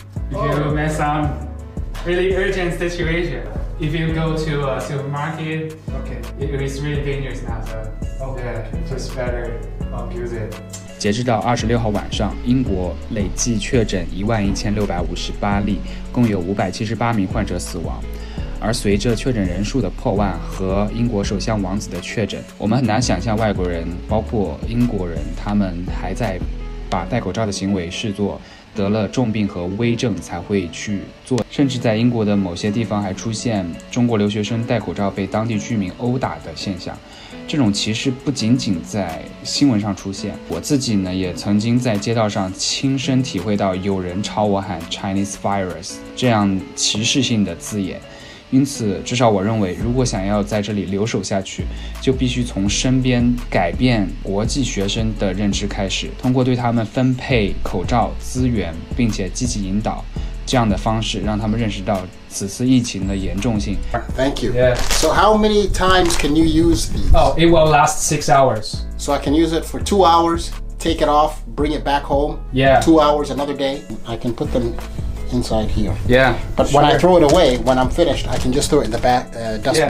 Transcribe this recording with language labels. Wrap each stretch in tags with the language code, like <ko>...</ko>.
<en>If you miss some really urgent situation, if you go to a supermarket, okay, it is really dangerous now. So, okay, just better use it.</en> <zh>截至到26号晚上，英国累计确诊11658例，共有578名患者死亡。而随着确诊人数的破万和英国首相王子的确诊，我们很难想象外国人，包括英国人，他们还在把戴口罩的行为视作得了重病和危症才会去做。甚至在英国的某些地方还出现中国留学生戴口罩被当地居民殴打的现象。这种歧视不仅仅在新闻上出现，我自己呢也曾经在街道上亲身体会到有人朝我喊</zh> <en>Chinese virus</en> <zh>这样歧视性的字眼。因此，至少我认为，如果想要在这里留守下去，就必须从身边改变国际学生的认知开始，通过对他们分配口罩资源，并且积极引导这样的方式，让他们认识到此次疫情的严重性。</zh> <en>Thank you. Yeah. So how many times can you use these? Oh, it will last 6 hours. So I can use it for 2 hours, take it off, bring it back home. Yeah. 2 hours, another day. I can put them. Inside here. Yeah. But when I throw it away, when I'm finished, I can just throw it in the back, dust bin.</en>